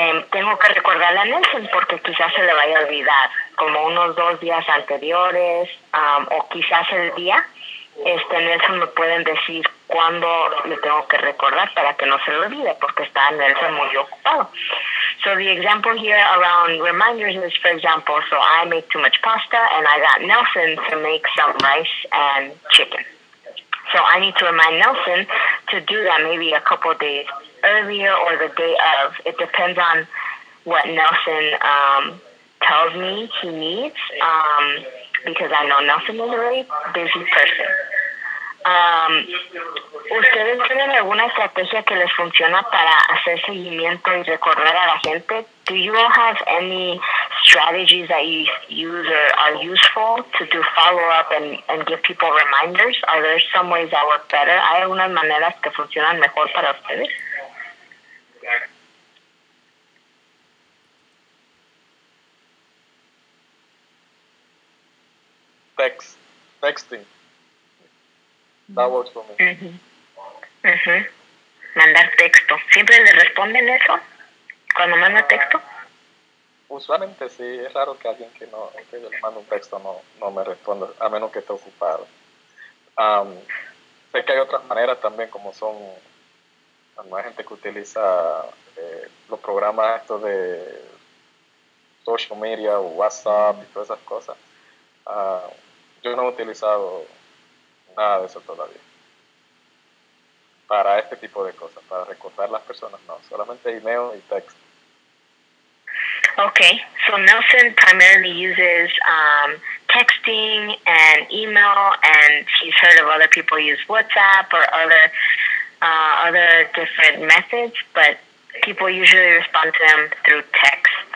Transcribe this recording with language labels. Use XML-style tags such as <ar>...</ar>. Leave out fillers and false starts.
<es>Tengo que recordarle a Nelson porque quizás se le vaya a olvidar como unos dos días anteriores, o quizás el día, Nelson me pueden decir cuándo le tengo que recordar para que no se lo olvide, porque está Nelson muy ocupado.</es> <en>So the example here around reminders is, for example, so I make too much pasta and I got Nelson to make some rice and chicken. So I need to remind Nelson to do that maybe a couple of days earlier or the day of. It depends on what Nelson tells me he needs, because I know Nelson is a very busy person.</en> <es>¿Ustedes tienen alguna estrategia que les funciona para hacer seguimiento y recordar a la gente?</es> <en>Do you all have any strategies that you use or are useful to do follow-up and give people reminders? Are there some ways that work better?</en> <es>¿Hay algunas maneras que funcionan mejor para ustedes?</es> <en>Texting. That works for me.</en> <es>Mandar texto. ¿Siempre le responden eso? ¿Cuando manda texto? Usualmente sí. Es raro que alguien que no, que yo le mando un texto no me responda, a menos que esté ocupado. Sé que hay otras maneras también, como son, hay gente que utiliza los programas estos de social media, WhatsApp y todas esas cosas. Yo no he utilizado nada de eso todavía para este tipo de cosas, para recordar las personas, no, solamente email y texto.</es> <en>Okay, so Nelson primarily uses texting and email, and he's heard of other people use WhatsApp or other different methods, but people usually respond to them through text.</en>